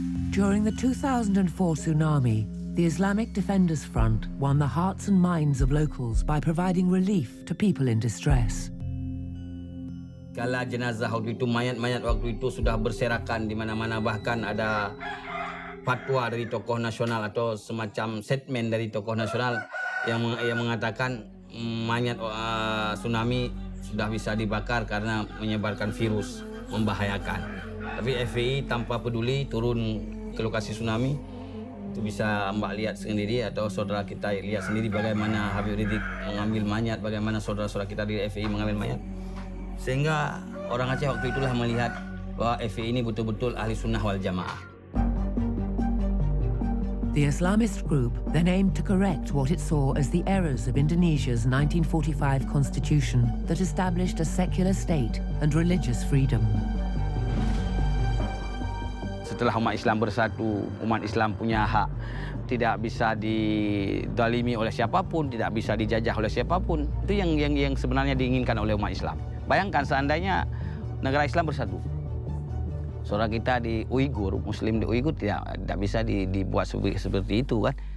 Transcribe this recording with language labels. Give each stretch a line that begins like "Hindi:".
English: During the 2004 tsunami, the Islamic Defenders Front won the hearts and minds of locals by providing relief to people in distress.
Indonesian: Kala jenazah waktu itu, mayat-mayat waktu itu sudah berserakan di mana-mana, bahkan ada fatwa dari tokoh nasional atau semacam statement dari tokoh nasional yang mengatakan mayat tsunami sudah bisa dibakar karena menyebarkan virus membahayakan. Tapi FPI tanpa peduli turun ke lokasi tsunami. Itu bisa Mbak lihat sendiri atau saudara kita lihat sendiri bagaimana Habib Rizik mengambil mayat, bagaimana saudara-saudara kita di FPI mengambil mayat. Sehingga orang Aceh waktu itulah melihat bahwa FPI ini betul-betul ahli sunnah wal jamaah.
English: The Islamist group then aimed to correct what it saw as the errors of Indonesia's 1945 constitution that established a secular state and religious freedom.
Indonesian: Setelah umat Islam bersatu, umat Islam punya hak tidak bisa didalimi oleh siapapun, tidak bisa dijajah oleh siapapun. Itu yang sebenarnya diinginkan oleh umat Islam. Bayangkan seandainya negara Islam bersatu. Seorang kita di Uighur, Muslim di Uighur tidak bisa dibuat seperti itu kan.